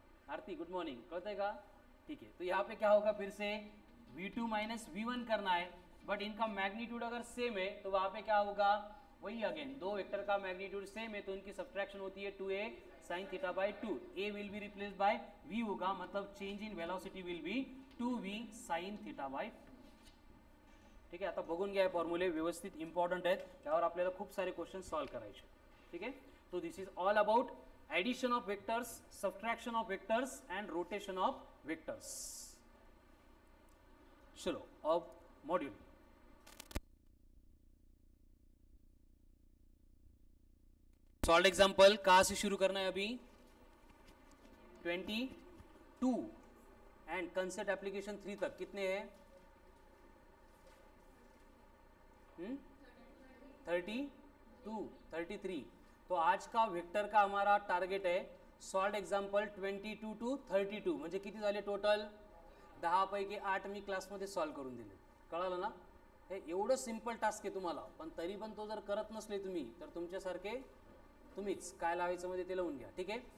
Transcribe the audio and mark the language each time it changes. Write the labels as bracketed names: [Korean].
[Hindi] आरती good morning, कहते का ठीक है, तो यहाँ पे क्या होगा फिर से v2 माइनस v1 करना है, बट इनका मैग्नीट्यूड अगर सेम है तो वहां पे क्या होगा वही अगेन, दो वेक्टर का मैग्नीट्यूड सेम है तो इनकी सब्ट्रैक्शन होती है 2a sin theta by 2, a will be replaced by v होगा, मतलब [English] change in velocity will be 2v sin theta by 2, [Hindi] ठीक है। [Marathi] आता बघून घ्या फॉर्मुले व्यवस्थित इंपॉर्टेंट आहेत, त्यावर आपल्याला खूप सारे क्वेश्चन सॉल्व करायचे, [Hindi] ठीक है। [English] तो this is all about addition of vectors, subtraction of vectors and rotation of vectors. [Hindi] चलो अब मॉड्यूल, सॉल्व एग्जांपल कहां से शुरू करना है अभी 22 एंड कंसेप्ट एप्लीकेशन 3 तक कितने हैं 32 33। तो आज का वेक्टर का हमारा टारगेट है सॉल्व एग्जांपल 22 to 32, [Marathi] म्हणजे किती झाले टोटल 10 पैकी 8 मी क्लासमध्ये सॉल्व करून दिले, कळालं ना। हे एवढं सिम्पल टास्क आहे तुम्हाला, पण तरी पण तो जर करत नसले तुम्ही तर तुमच्यासारखे तुम्हीच काय लावायचं मध्ये ते लावून घ्या, ठीक आहे।